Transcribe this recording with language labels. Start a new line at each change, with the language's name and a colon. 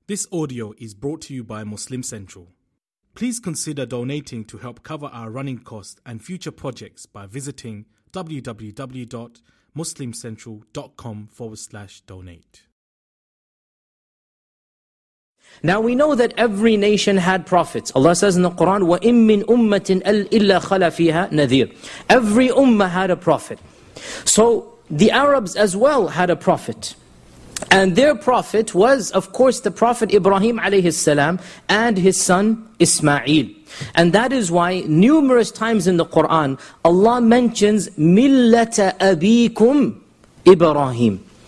English: This audio is brought to you by Muslim Central. Please consider donating to help cover our running costs and future projects by visiting www.muslimcentral.com/donate. Now we know that every nation had prophets.
Arabic: Allah says in the Quran, وَإِن مِّنْ أُمَّةٍ إِلَّا خَلَى فِيهَا نَذِيرٌ.
English: Every ummah had a prophet. So the Arabs as well had a prophet. And their prophet was, of course, the Prophet Ibrahim alayhis salam and his son Ismail. And that is why numerous times in the Quran, Allah mentions Millata Abikum Ibrahim.